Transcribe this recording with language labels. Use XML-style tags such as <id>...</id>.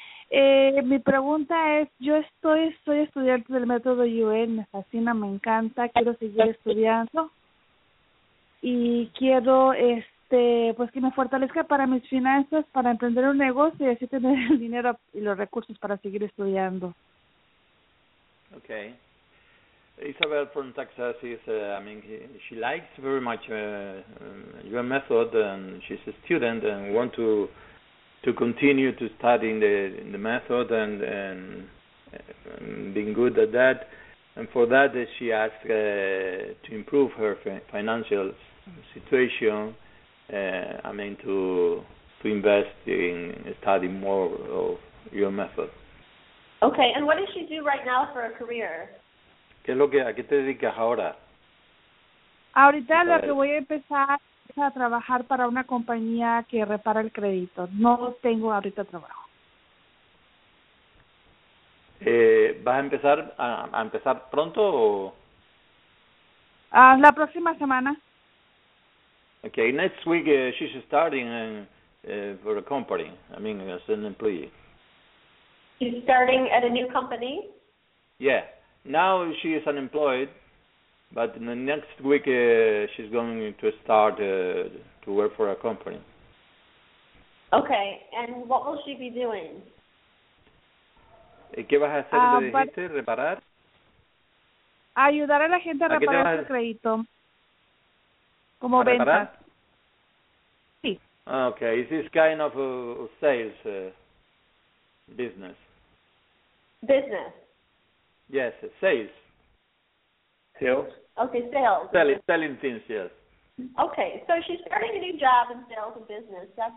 <es>Mi pregunta es, soy estudiante del método UN, me fascina, me encanta, quiero seguir estudiando y quiero pues que me fortalezca para mis finanzas, para emprender un negocio y así tener el dinero y los recursos para seguir estudiando.</es> <en>Okay. Isabel from Texas is, she likes very much your method, and she's a student and want to continue to study in the method and being good at that. And for that, she asked to improve her financial situation, to invest in studying more of your method. Okay, and what does she do right now for a career?</en> <es>¿Qué es lo que, a qué te dedicas ahora? Ahorita lo que voy a empezar es a trabajar para una compañía que repara el crédito. No tengo ahorita trabajo. ¿Vas a empezar a empezar pronto o...? La próxima semana.</es> <en>Okay, next week she's starting for a company. As an employee. She's starting at a new company? Yeah. Now she is unemployed, but in the next week she's going to start to work for a company. Okay, and what will she be doing?</en> <es>¿Qué vas a hacer, te dijiste? ¿Reparar? Ayudar a la gente a reparar su crédito. Como ¿a venta. ¿Reparar? Sí.</es> <en>Okay, is this kind of a sales business? Business. Yes, sales. Sales? Okay, sales. Selling things, yes. Okay, so she's starting a new job in sales and business. Dr.</en>